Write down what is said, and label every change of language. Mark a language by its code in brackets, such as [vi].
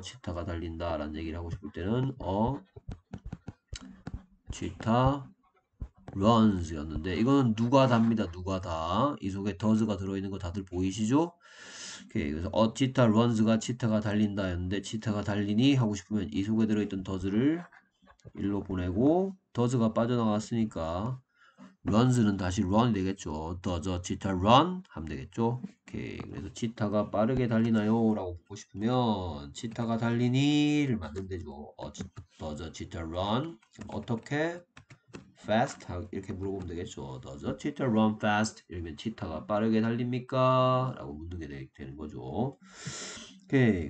[ko] 치타가 달린다라는 얘기를 하고 싶을 때는 [en] a cheetah runs [ko] 였는데 이거는 누가 답니다. 누가 다. 이 속에 does가 들어있는 거 다들 보이시죠? 오케이, 그래서 [en] a cheetah runs [ko] 가 치타가 달린다였는데 치타가 달리니 하고 싶으면 이 속에 들어있던 does를 일로 보내고 does가 빠져나갔으니까 runs는 다시 run이 되겠죠. [en] Does a cheetah run? [ko] 하면 되겠죠. 오케이. 그래서 치타가 빠르게 달리나요? 라고 묻고 싶으면 치타가 달리니를 만들면 되죠. [en] Does a cheetah run? [ko] 어떻게? [en] Fast? [ko] 이렇게 물어보면 되겠죠. [en] Does a cheetah run fast? [ko] 이러면 치타가 빠르게 달립니까? 라고 묻는 게 되는 거죠. 오케이.